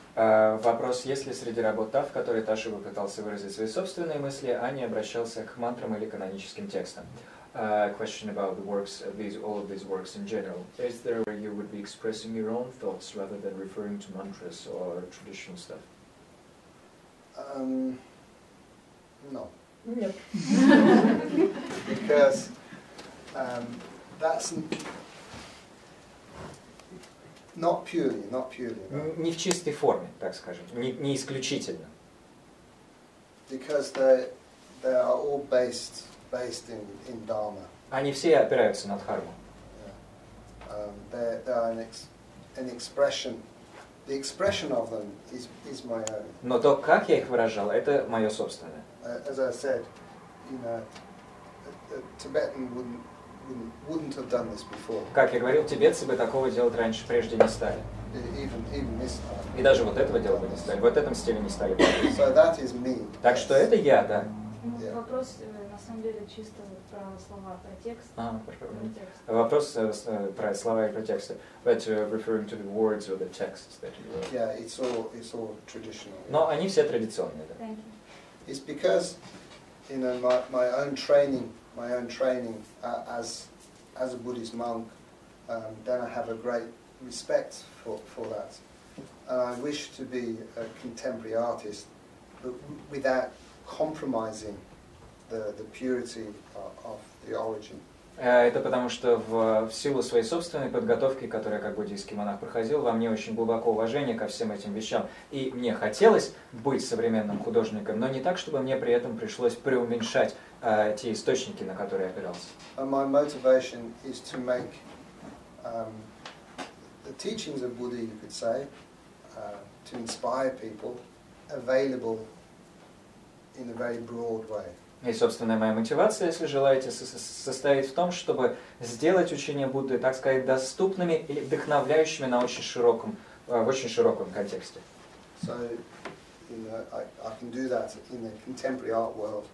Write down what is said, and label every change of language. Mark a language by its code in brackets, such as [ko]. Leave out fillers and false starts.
[ru] Вопрос, есть ли среди работ та, в которой Таша бы пытался выразить свои собственные мысли, а не обращался к мантрам или каноническим текстам? [en] Question about the works, all of these works in general. Is there where you would be expressing your own thoughts rather than referring to mantras or traditional stuff? No. [ru] Нет. [en] Because that's Not purely. [ru] Не в чистой форме, так скажем, не исключительно. [en] Because they are all based in Dharma. [ru] Они все опираются на дхарму. [en] Yeah. They are an expression. The expression of them is my own. [ru] Но то, как я их выражал, это мое собственное. [en] As I said, you know, a Tibetan wouldn't have done this before. [ru] Как я говорил, тибетцы бы такого делать раньше прежде не стали. [en] Even this time. [ru] И даже вот этого делать бы не стали. В вот этом стиле не стали бы. [en] So that is me. [ru] Так что это я, да. Yeah. Вопрос на самом деле чисто про слова, про текст. Про текст. Вопрос про слова и про тексты. [en] But referring to the words or the texts that you wrote. Yeah, it's all traditional. [ru] Но они все традиционные, да. [en] Thank you. It's because, you know, my own training as a Buddhist monk, then I have a great respect for that. And I wish to be a contemporary artist, but without compromising the purity of the origin. [ru] Это потому, что в силу своей собственной подготовки, которую я как буддийский монах проходил, во мне очень глубокое уважение ко всем этим вещам. И мне хотелось быть современным художником, но не так, чтобы мне при этом пришлось преуменьшать те источники, на которые я опирался. [en] And my motivation is to make the teachings of Buddha, you could say, to inspire people, available in a very broad way. [ru] И, собственно, моя мотивация, если желаете, состоит в том, чтобы сделать учения Будды, так сказать, доступными и вдохновляющими на очень широком, в очень широком контексте. [en] So, you know, I can do that in the contemporary art world.